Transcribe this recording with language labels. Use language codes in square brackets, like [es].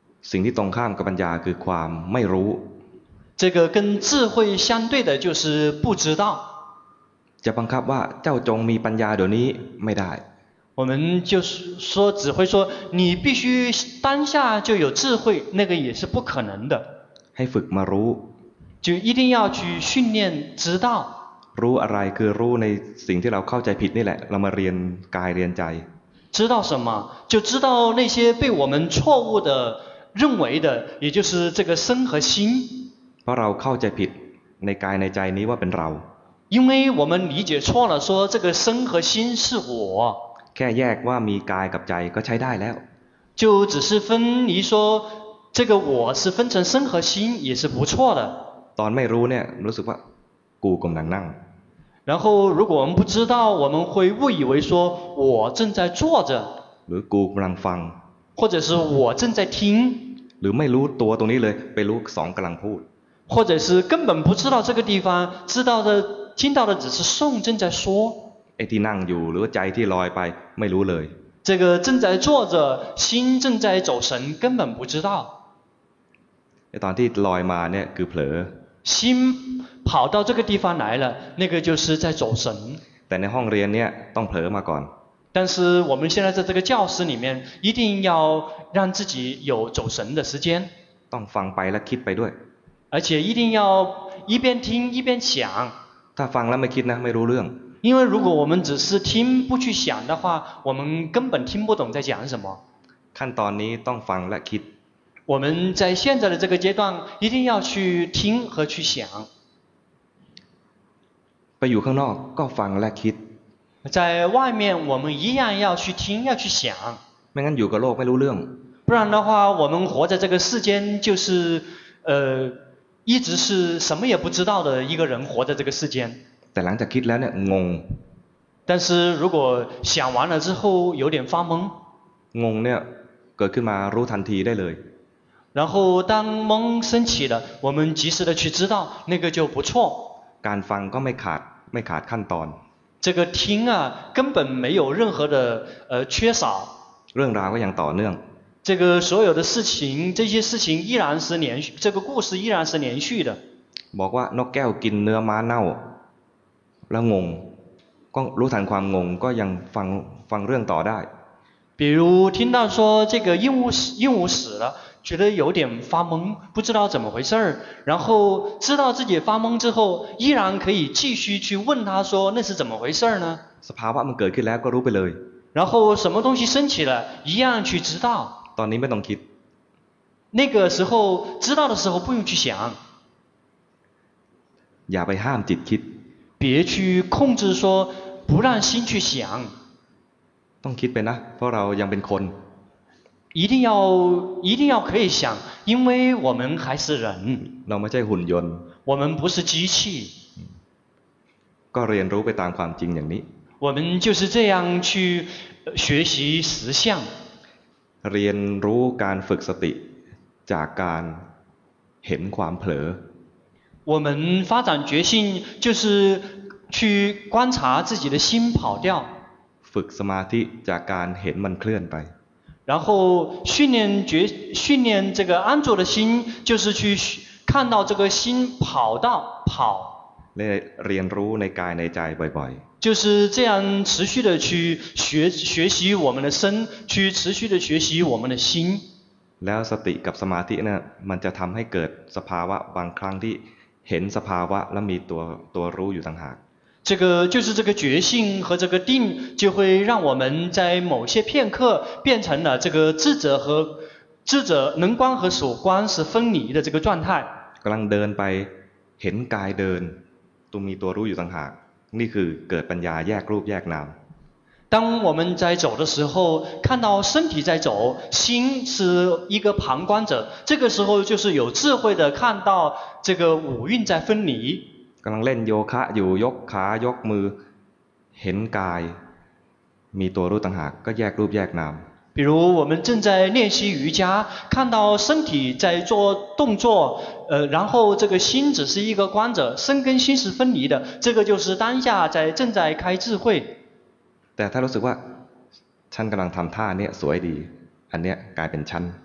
[th] สิ่งที่ตรงข้ามกับปัญญาคือความไม่รู้ [zh] 这个跟智慧相对的就是不知道 [th] จะบังคับว่าเจ้าจงมีปัญญาเดี๋ยวนี้ไม่ได้ [zh] 我们就是说只会说你必须当下就有智慧那个也是不可能的 [th] ให้ฝึกมารู้ [zh] 就一定要去训练知道 [th] รู้อะไรคือรู้ในสิ่งที่เราเข้าใจผิดนี่แหละเรามาเรียนกายเรียนใจ [zh] 知道什么就知道那些被我们错误的认为的也就是这个身和心 [th] เพราะเราเข้าใจผิดในกายในใจนี้ว่าเป็นเรา [zh] 因为我们理解错了，说这个身和心是我。 [th] แค่แยกว่ามีกายกับใจก็ใช้ได้แล้ว。 [zh] 就只是分离说这个我是分成身和心也是不错的。 [th] ตอนไม่รู้เนี่ยรู้สึกว่ากูกำลังนั่ง。 [zh] 然后如果我们不知道，我们会误以为说我正在坐着。 [th] หรือกูกำลังฟัง。 [zh] 或者是我正在听。 [th] หรือไม่รู้ตัวตรงนี้เลยไปรู้สองกำลังพูด。 [zh] 或者是根本不知道这个地方，知道的听到的只是宋正在说。 [th] ไอ้ที่นั่งอยู่หรือใจที่ลอยไปไม่รู้เลย。 [zh] 这个正在坐着，心正在走神，根本不知道。 [th] ไอ้ตอนที่ลอยมาเนี่ยคือเผลอ。 [zh] 心跑到这个地方来了，那个就是在走神。 [th] แต่ในห้องเรียนเนี่ยต้องเผลอมาก่อน。 [zh] 但是我们现在在这个教室里面，一定要让自己有走神的时间。 [th] ต้องฟังไปและคิดไปด้วย。 [zh] 而且一定要一边听一边想。 [th] ถ้าฟังแล้วไม่คิดนะไม่รู้เรื่อง。 [zh] 因为如果我们只是听不去想的话，我们根本听不懂在讲什么。 [th] ขั้นตอนนี้ต้องฟังและคิด。 [zh] 我们在现在的这个阶段，一定要去听和去想。 [th] ไปอยู่ข้างนอกก็ฟังและคิด。 [zh] 在外面，我们一样要去听，要去想。 [th] ไม่งั้นอยู่กับโลกไม่รู้เรื่อง。 [zh] 不然的话，我们活在这个世间就是一直是什么也不知道的一个人活在这个世间。 [th] แต่หลังจากคิดแล้วเนี่ยงง。 [zh] 但是如果想完了之后有点发懵。 [th] งงเนี่ยเกิดขึ้นมารู้ทันทีได้เลย。 [zh] 然后当懵升起了，我们及时的去知道，那个就不错。 [th] การฟังก็ไม่ขาดขั้นตอน。 [zh] 这个听啊，根本没有任何的缺少。 [th] เรื่องราวก็ยังต่อเนื่อง。 [zh] 这个所有的事情，这些事情依然是连续，这个故事依然是连续的。 [th] บอกว่านกแก้วกินเนื้อม้าเน่าแล้วงงก็รู้ทันความงงก็ยังฟังเรื่องต่อได้。 [zh] 比如听到说这个鹦鹉死了，觉得有点发懵，不知道怎么回事，然后知道自己发懵之后，依然可以继续去问他说那是怎么回事呢？ [th] สภาวะมันเกิดขึ้นแล้วก็รู้ไปเลย。 [zh] 然后什么东西升起了，一样去知道。 [th] ตอนนี้ไม่ต้องคิด。 [zh] 那个时候知道的时候不用去想。 [th] อย่าไปห้ามจิตคิด。 [zh] 别去控制说不让心去想。 [th] ต้องคิดไปนะเพราะเรายังเป็นคน。 [zh] 一定要可以想，因为我们还是人。 [th] เราไม่ใช่หุ่นยนต์。 [zh] 我们不是机器。 [th] ก็เรียนรู้ไปตามความจริงอย่างนี้。 [zh] 我们就是这样去学习实相。 [th] เรียนรู้การฝึกสติจากการเห็นความเผล [zh] อ我们发展觉性就是去观察自己的心跑掉 [th] ฝึกสมาธิจากการเห็นมันเคลื่อนไป [zh] 然后训练这个安住的心就是去看到这个心跑到跑 [th] เรียนรู้ในกายในใจบ่อยๆ [zh] 就是这样持续的去学习我们的身，去持续的学习我们的心。 [th] แล้วสติกับสมาธิเนี่ยมันจะทำให้เกิดสภาวะบางครั้งที่เห็นสภาวะและมีตัวรู้อยู่ต่างหาก。 [zh] 这个就是这个觉性和这个定，就会让我们在某些片刻变成了这个智者能观和所观是分离的这个状态。 [th] กำลังเดินไปเห็นกายเดินมีตัวรู้อยู่ต่างหากนี่คือเกิดปัญญาแยกรูปแยกนาม [zh] 当我们在走的时候看到身体在走心是一个旁观者这个时候就是有智慧的看到这个五蕴在分离 [th] กำลังเล่นโยคะอยู่ยกขายกมือเห็นกายมีตัวรู้ต่างหากก็แยกรูปแยกนาม [zh] 比如我们正在练习瑜伽看到身体在做动作然后这个心只是一个观者身跟心是分离的这个就是当下在正在开智慧 [th] แต่ถ้ารู้สึกว่าฉันกำลังทำท่าเนี่ยสวยดีอันเนี้ยกลายเป็นฉัน